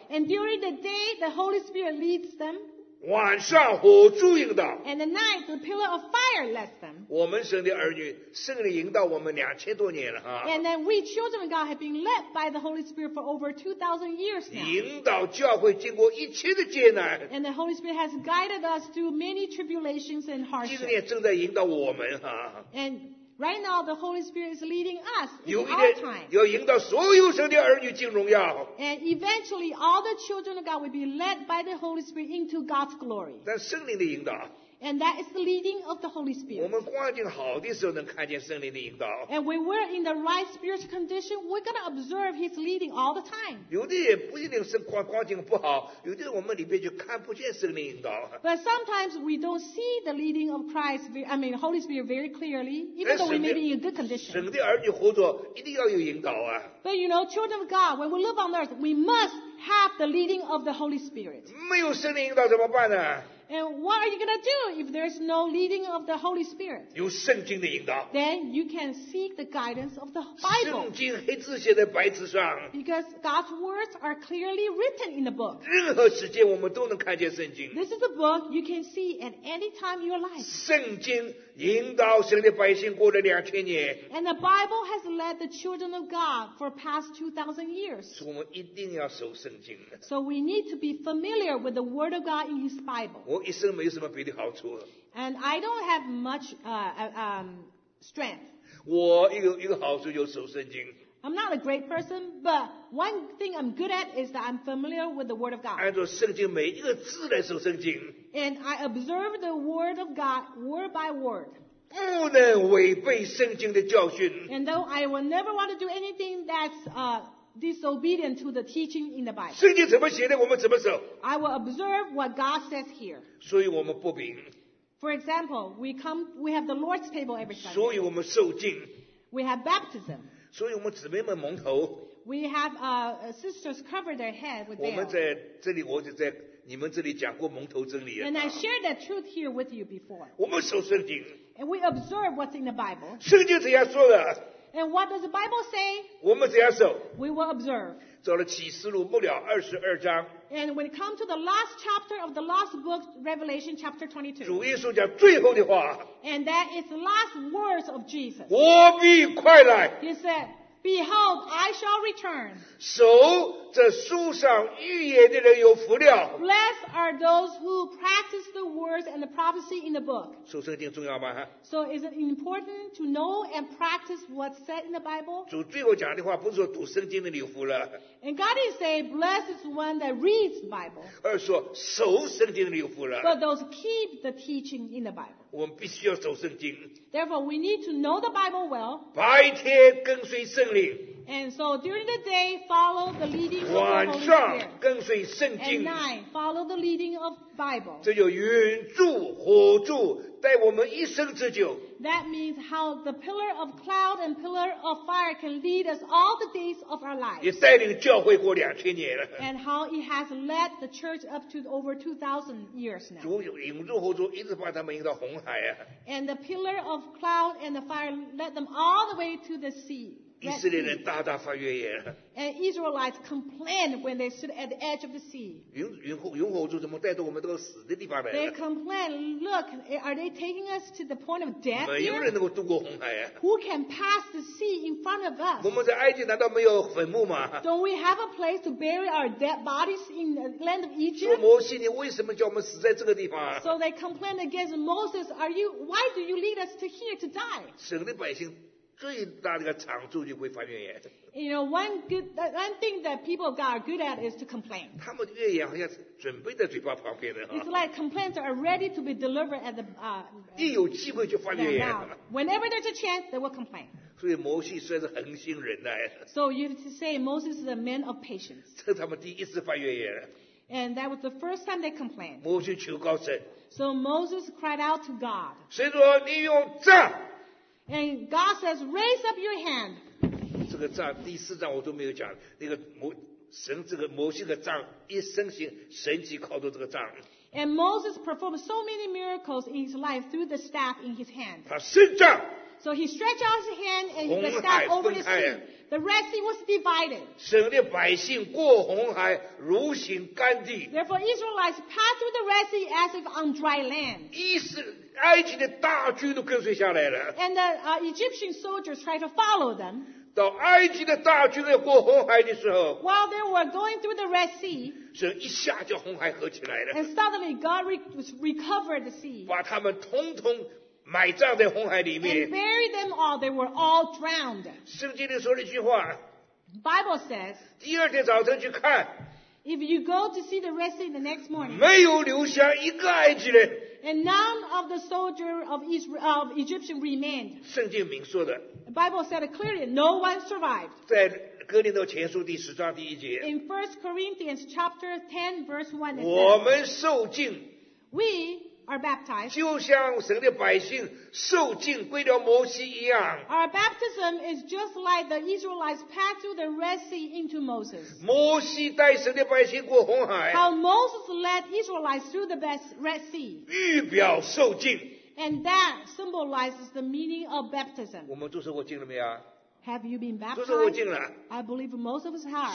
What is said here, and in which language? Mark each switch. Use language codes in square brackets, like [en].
[en] And during the day, the Holy Spirit leads them. [zh] 晚上火柱引导。 [en] And the night, the pillar of fire leads them. [zh] 我们神的儿女圣灵引导我们两千多年了哈。 [en] And then we children of God have been led by the Holy Spirit for over 2,000 years now. [zh] 引导教会经过一切的艰难。 [en] And the Holy Spirit has guided us through many tribulations and hardships. [zh] 今天正在引导我们哈。 [en] And right now, the Holy Spirit is leading us in our time. [zh] 有一天要引导所有神的儿女进荣耀。 [en] And eventually, all the children of God will be led by the Holy Spirit into God's glory. [zh] 但圣灵的引导。 [en] And that is the leading of the Holy Spirit. [zh] 我们光景好的时候能看见圣灵的引导。 [en] And when we're in the right spiritual condition, we're going to observe His leading all the time. [zh] 有的也不一定是 光景不好，有的我们里边就看不见圣灵引导。 [en] But sometimes we don't see the leading of Christ, I mean Holy Spirit very clearly, even though we may be in good condition. [zh] 神的儿女活着一定要有引导啊。 [en] But you know, children of God, when we live on earth, we must have the leading of the Holy Spirit. [zh] 没有圣灵引导怎么办呢？ [en] And what are you going to do if there is no leading of the Holy Spirit? [zh] 有圣经的引导。 [en] Then you can seek the guidance of the Bible. [zh] 圣经黑字写在白纸上。 [en] Because God's words are clearly written in the book. [zh] 任何时间我们都能看见圣经。 [en] This is a book you can see at any time in your life. [zh] 圣经引导神的百姓过了两千年。 [en] And the Bible has led the children of God for past 2,000 years. [zh] 所以我们一定要守圣经。 [en] So we need to be familiar with the word of God in His Bible. [zh] 我一生没有什么别的好处。 [en] And I don't have much strength. [zh] 我一个好处就是守圣经。 [en] I'm not a great person, but one thing I'm good at is that I'm familiar with the Word of God. [zh] 按照圣经每一个字来守圣经。 [en] And I observe the Word of God word by word. [zh] 不能违背圣经的教训。 [en] And though I will never want to do anything that's disobedient to the teaching in the Bible. [zh] 圣经怎么写的，我们怎么守。 [en] I will observe what God says here. [zh] 所以我们不明。 [en] For example, we have the Lord's table every Sunday. [zh] 所以我们受浸。 [en] We have baptism. [zh] 所以我们姊妹们蒙头。 [en] We have sisters cover their head with veil. [zh] 我们在这里，我就在你们这里讲过蒙头真理。 [en] And I shared that truth here with you before. [zh] 我们守圣经。 [en] And we observe what's in the Bible. [zh] 圣经怎样说的。 [en] And what does the Bible say? [zh] 我们怎样守? [en] We will observe. [zh] 走了启示录末了二十二章。 [en] And when it comes to the last chapter of the last book, Revelation chapter 22. [zh] 主耶稣讲最后的话。 [en] And that is the last words of Jesus. [zh] 我必快来。 [en] He said, Behold, I shall return. [zh] 守这书上预言的人有福了。 [en] Blessed are those who practice the words and the prophecy in the book. [zh] 守圣经重要吗？ [en] So is it important to know and practice what's said in the Bible? [zh] 主最后讲的话不是说读圣经的人有福了。 [en] And God is saying, blessed is one that reads the Bible. [zh] 而说守圣经的人有福了。 [en] But those keep the teaching in the Bible. [zh] 我们必须要守圣经。 [en] Therefore, we need to know the Bible well. [zh] 白天跟随圣灵。 [en] And so during the day, follow the leading of the Holy Spirit. [zh] 晚上跟随圣经。 [en] At night, follow the leading of Bible. [zh] 这就云柱火柱带我们一生之久。 [en] That means how the pillar of cloud and pillar of fire can lead us all the days of our lives. [zh] 也带领教会过两千年了。 [en] And how it has led the church up to over 2,000 years now. [zh] 主引柱火柱一直把他们引到红海啊。 [en] And the pillar of cloud and the fire led them all the way to the sea. [zh] 以色列人大大发怨言。 [en] And Israelites complained when they stood at the edge of the sea. [zh] 云火柱怎么带到我们这个死的地方来 [en] ？They complained, look, are they taking us to the point of death here? [zh] 没有人能够渡过红海啊。 [en] Who can pass the sea in front of us? [zh] 我们在埃及难道没有坟墓吗 [en] ？Don't we have a place to bury our dead bodies in the land of Egypt? [zh] 说摩西，你为什么叫我们死在这个地方 [en] ？So they complained against Moses, why do you lead us to here to die? [zh] 省的百姓。最大的长处就会发怨言。 [en] You know, one thing that people of God are good at is to complain. [zh] 他们的怨言好像准备在嘴巴旁边的。 [en] It's like complaints are ready to be delivered at the. [zh] 一有机会就发怨言。 [en] Whenever there's a chance, they will complain. [zh] 所以摩西算是恒心忍耐。 [en] So you have to say Moses is a man of patience. [zh] 这他们第一次发怨言。 [en] And that was the first time they complained. [zh] 摩西求告神。 [en] So Moses cried out to God. [zh] 神说你用杖。 [en] And God says, raise up your hand. [zh] 这个杖第四章我都没有讲，那个摩西的杖一伸行，神迹靠着这个杖。 [en] And Moses performed so many miracles in his life through the staff in his hand. [zh] 他伸杖。 [en] So he stretched out his hand and the staff over the sea. The Red Sea was divided. [zh] 神的百姓过红海如行干地。 [en] Therefore, Israelites passed through the Red Sea as if on dry land. [zh] 埃及的大军都跟随下来了。 [en] And the Egyptian soldiers tried to follow them. [zh] 到埃及的大军要过红海的时候。 [en] While they were going through the Red Sea. [zh] 神一下就红海合起来了。 [en] And suddenly God recovered the sea. [zh] 把他们统统埋葬在红海里面。 [en] And buried them all. They were all drowned. [zh] 圣经里说了一句话。 [en] Bible says. [zh] 第二天早晨去看。 [en] If you go to see the Red Sea the next morning. [zh] 没有留下一个埃及人。 [en] And none of the soldiers of Israel, of Egyptian remained. [zh] 圣经明说的。 [en] The Bible said it clearly, no one survived. [zh] 在哥林多前书第十章第一节。 [en] In 1 Corinthians chapter 10 verse 1, it says, [zh] 我们受浸。 [en] We are baptized. [zh] 就像神的百姓受浸归了摩西一样。 [en] Our baptism is just like the Israelites passed through the Red Sea into Moses. [zh] 摩西带神的百姓过红海。 [en] How Moses led Israelites through the Red Sea. [zh] 预表受浸。 [en] And that symbolizes the meaning of baptism. [zh] 我们注射过浸了没有？ [en] Have you been baptized? [zh] 注射过浸了。 [en] I believe most of us have.